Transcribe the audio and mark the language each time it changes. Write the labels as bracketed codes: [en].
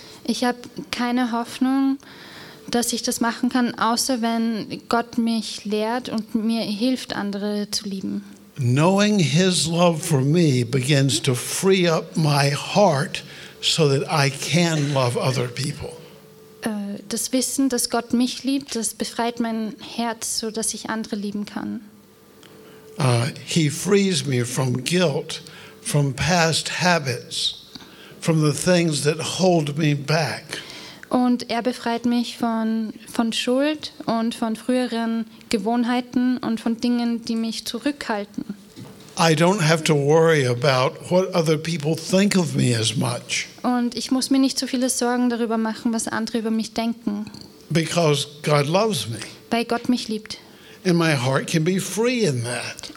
[de] Ich habe keine Hoffnung, dass ich das machen kann, außer wenn Gott mich lehrt und mir hilft, andere zu lieben. [en] Knowing his love for me begins to free up my heart so that I can love other people. [de] Das Wissen, dass Gott mich liebt, das befreit mein Herz, so dass ich andere lieben kann. [en] He frees me from guilt, from past habits, from the things that hold me back. [de] Und er befreit mich von Schuld und von früheren Gewohnheiten und von Dingen, die mich zurückhalten. [en] I don't have to worry about what other people think of me as much. [de] Und ich muss mir nicht so viele Sorgen darüber machen, was andere über mich denken. [en] Because God loves me. [de] Weil Gott mich liebt. [en] And my heart can be free in that.